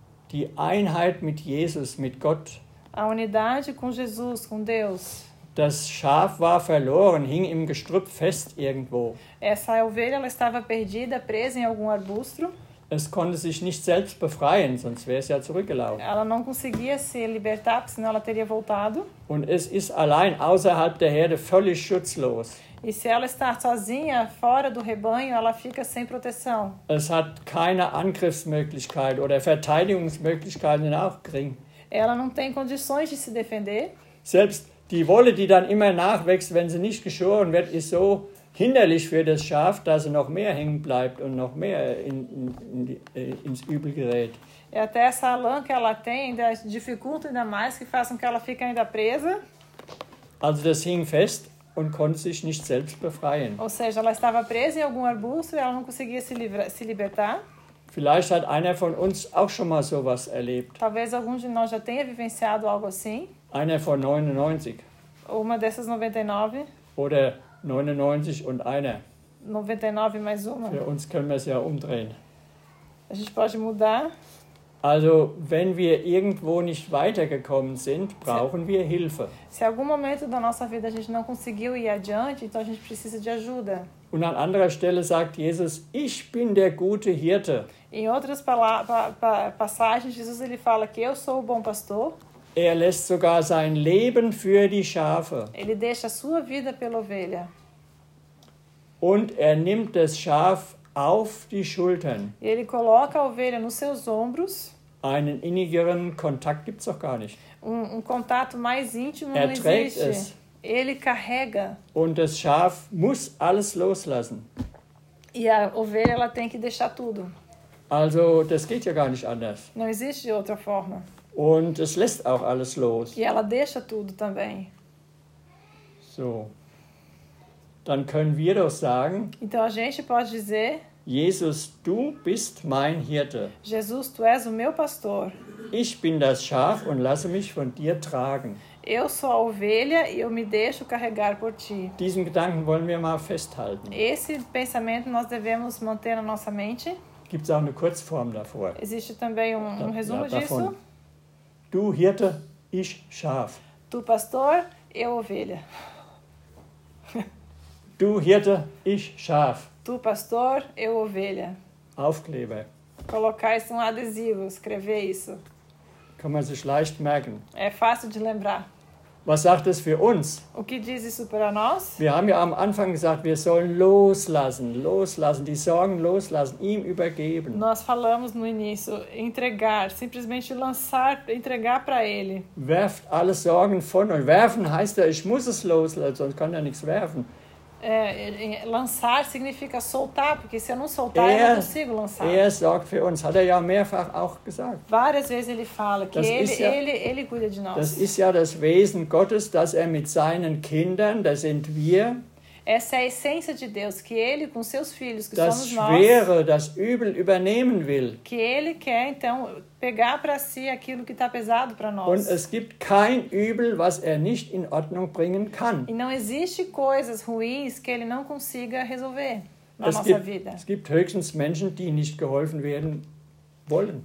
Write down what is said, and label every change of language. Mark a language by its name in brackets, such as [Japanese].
[German] Die Einheit mit Jesus, mit Gott. [Portuguese] A unidade com Jesus, com Deus. [German] Das Schaf war verloren, hing im Gestrüpp fest irgendwo. [Portuguese] Essa ovelha, ela estava perdida, presa em algum arbusto. [German] Es konnte sich nicht selbst befreien, sonst wäre es ja zurückgelaufen. [Portuguese] Ela não conseguia se libertar, senão ela teria voltado. [German] Und es ist allein außerhalb der Herde völlig schutzlos. [Portuguese] E se ela está sozinha, fora do rebanho, ela fica sem proteção. [German] Es hat keine Angriffsmöglichkeit oder Verteidigungsmöglichkeiten auch gering. [Portuguese] Ela não tem condições de se defender. [German] Selbst die Wolle, die dann immer nachwächst, wenn sie nicht geschoren wird, ist so hinderlich für das Schaf, dass sie noch mehr hängen bleibt und noch mehr ins Übel gerät. [Portuguese] E até essa lã que ela tem, ainda dificulta ainda mais, que faz com que ela fique ainda presa. [German] Also das hing fest und konnte sich nicht selbst befreien. [Portuguese] Ou seja, ela estava presa em algum arbusto e ela não conseguia se libertar. [German] Vielleicht hat einer von uns auch schon mal sowas erlebt. [Portuguese] Talvez algum de nós já tenha vivenciado algo assim. [German] Einer von 99. [Portuguese] Uma dessas 99. [German] Oder 99 und einer. [Portuguese] 99 mais uma. [German] Für uns können wir es ja umdrehen. [Portuguese] A gente pode mudar. [German] Also, wenn wir irgendwo nicht weitergekommen sind, brauchen wir Hilfe. [Portuguese] Se algum momento da nossa vida a gente não conseguiu ir adiante, então a gente precisa de ajuda. [German] Und an anderer Stelle sagt Jesus, ich bin der gute Hirte. [Portuguese] Em outras passagens, Jesus ele fala que eu sou o bom pastor. [German] Er lässt sogar sein Leben für die Schafe. [Portuguese] Ele deixa a sua vida pela ovelha. [German] Und er nimmt das Schaf auf die Schultern. [Portuguese] Ele coloca a ovelha nos seus ombros. [German] Einen innigeren Kontakt gibt's doch gar nicht. [Portuguese] Um contato mais íntimo [German] er [Portuguese] não existe. [German] Es. [Portuguese] Ele carrega. [German] Und das Schaf muss alles loslassen. [Portuguese] E a ovelha ela tem que deixar tudo. [German] Also, das geht ja gar nicht anders. [Portuguese] Não existe de outra forma. [German] Und es lässt auch alles los. [Portuguese] E ela deixa tudo também. [German] So. Dann können wir doch sagen. [Portuguese] Então a gente pode dizer. [German] Jesus, du bist mein Hirte. [Portuguese] Jesus, tu és o meu pastor. [German] Ich bin das Schaf und lasse mich von dir tragen. [Portuguese] Eu sou a ovelha e eu me deixo carregar por ti. [German] Diesen Gedanken wollen wir mal festhalten. [Portuguese] Esse pensamento nós devemos manter na nossa mente. [German] Gibt's auch eine Kurzform davor. [Portuguese] Existe também um resumo disso. [German] Du Hirte, ich Schaf. [Portuguese] Tu pastor, eu ovelha. [German] Du Hirte, ich Schaf. [Portuguese] Tu pastor, eu ovelha. [German] Aufkleber. [Portuguese] Colocar isso um adesivo, escrever isso. [German] Kann man sich leicht merken. [Portuguese] É fácil de lembrar. [German] Was sagt das für uns? [Portuguese] O que diz isso para nós? [German] Wir haben ja am Anfang gesagt, wir sollen loslassen, die Sorgen loslassen, ihm übergeben. [Portuguese] Nós falamos no início, entregar, simplesmente lançar, entregar para ele. [German] Werft alle Sorgen von euch. Werfen heißt ja, ich muss es loslassen, sonst kann er nichts werfen. [Portuguese] Lançar significa soltar, porque se eu não soltar, eu não consigo lançar. [German] Er sorgt für uns, hat er ja mehrfach auch gesagt. [Portuguese] Várias vezes ele fala que ele cuida de nós. [German] Das ist ja das Wesen Gottes, dass er mit seinen Kindern, das sind wir. [Portuguese] Essa é a essência de Deus, que ele com seus filhos, que [German] das [Portuguese] somos [German] schwere, [Portuguese] nós. [German] Das Übel übernehmen will. [Portuguese] Que ele quer então pegar para si aquilo que está pesado para nós. [German] Und es gibt kein Übel, was er nicht in Ordnung bringen kann. [Portuguese] E não existe coisas ruins que ele não consiga resolver na [German] es [Portuguese] nossa [German] gibt, [Portuguese] vida. [German] Es gibt höchstens Menschen, die nicht geholfen werden wollen.